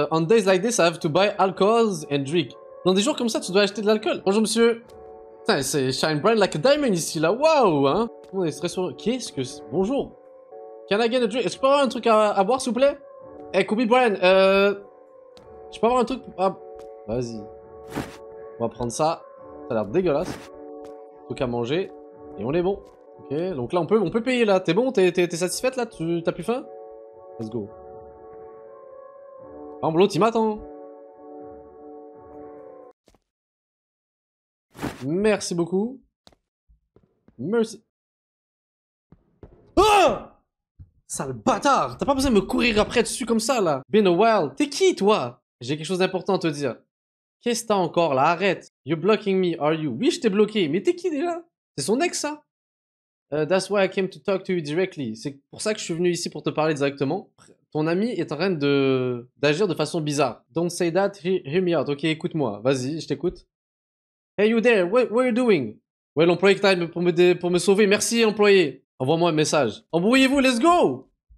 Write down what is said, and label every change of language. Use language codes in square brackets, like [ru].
[en] On days like this, I have to buy alcohol and drink. [fr] Dans des jours comme ça, tu dois acheter de l'alcool. Bonjour, monsieur. Putain, c'est [en] shine bright like a diamond [fr] ici, là. Waouh, hein. On est très sur... Qu'est-ce que c'est... Bonjour. [en] Can I get a drink? [fr] Est-ce que je peux avoir un truc à boire, s'il vous plaît? Hey, Kobe Bryant, je peux avoir un truc... À... Vas-y. On va prendre ça. Ça a l'air dégueulasse. Truc à manger. Et on est bon. Ok, donc là, on peut payer, là. T'es bon? T'es satisfaite, là? T'as plus faim? [en] Let's go. [fr] Ah, l'autre, il m'attend. Merci beaucoup. Merci. Ah! Sale bâtard! T'as pas besoin de me courir après dessus comme ça, là. [en] Been a while. [fr] T'es qui, toi? J'ai quelque chose d'important à te dire. Qu'est-ce que t'as encore, là? Arrête. [en] You're blocking me, are you? [fr] Oui, je t'ai bloqué. Mais t'es qui, déjà? C'est son ex, ça? [en] That's why I came to talk to you directly. [fr] C'est pour ça que je suis venu ici pour te parler directement. Ton ami est en train d'agir de façon bizarre. [en] Don't say that, hear me out. [fr] Ok, écoute-moi. Vas-y, je t'écoute. [en] Hey, you there, what are you doing? [fr] Ouais, l'employé qui t'aide pour me sauver. Merci, employé. Envoie-moi un message. Embrouillez-vous, [en] let's go!